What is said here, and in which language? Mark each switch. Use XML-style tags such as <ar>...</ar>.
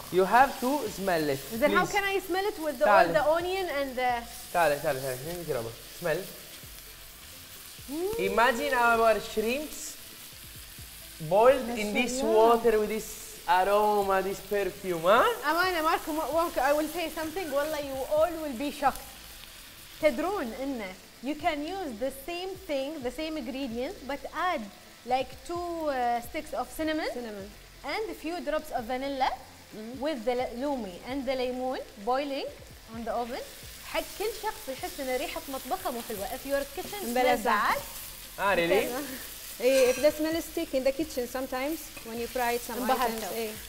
<en>You have to smell it. Then how can I smell it with all the onion and the.</en> <ar>تعال.</ar> <en>Smell. Imagine our shrimps boiled in this water with this aroma, this perfume, huh?</en> <ar>أمانة</ar> <en>Marco, I will say something.</en> <ar>والله</ar> <en>you all will be shocked.</en> <ar>تدرون إن</ar> <en>you can use the same thing, the same ingredient, but add like two sticks of cinnamon, and a few drops of vanilla with the lumi and the lemon boiling on the oven.</en> <ar>حق كل شخص يحس إن ريحة مطبخه مو حلوة.</ar> <en>If your kitchen smells bad, really? If the smell is thick in the kitchen sometimes when you fry some items.</en>